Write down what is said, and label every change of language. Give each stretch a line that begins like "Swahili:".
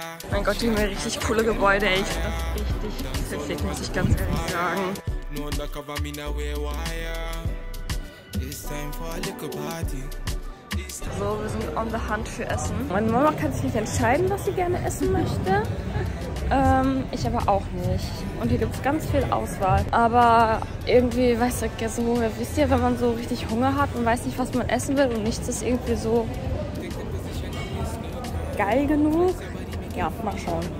German: Mein Gott, die haben richtig coole Gebäude, ey. Das ist richtig perfekt, muss ich ganz ehrlich sagen.
English: No undercover, me now wear wire. It's time for a little party.
German: So, wir sind
English: on the hunt
German: für Essen. Meine Mama kann sich nicht entscheiden, was sie gerne essen möchte. Ich aber auch nicht. Und hier gibt es ganz viel Auswahl. Aber irgendwie, weißt du, so, wisst ihr, wenn man so richtig Hunger hat und weiß nicht, was man essen will und nichts ist irgendwie so geil genug? Ja, mal schauen.